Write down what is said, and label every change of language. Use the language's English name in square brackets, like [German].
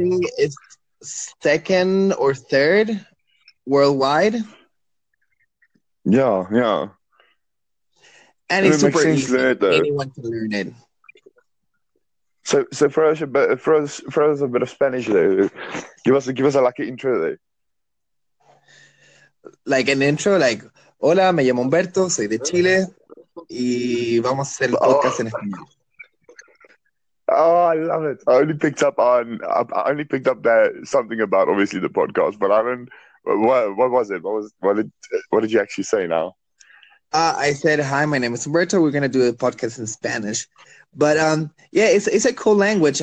[English] I think it's second or third worldwide. Yeah, yeah. And it's super easy to learn it, though. Anyone can learn it. So for us a bit of Spanish there. Give us a like an intro there. Like an intro, like, [Spanish] hola, me llamo Humberto, soy de Chile, y vamos a hacer el podcast en español. [English] Oh, I love it. I only picked up that something about, obviously, the podcast, but I don't, what did you actually say now? I said, hi, my name is Humberto, we're going to do a podcast in Spanish. But, yeah, it's a cool language.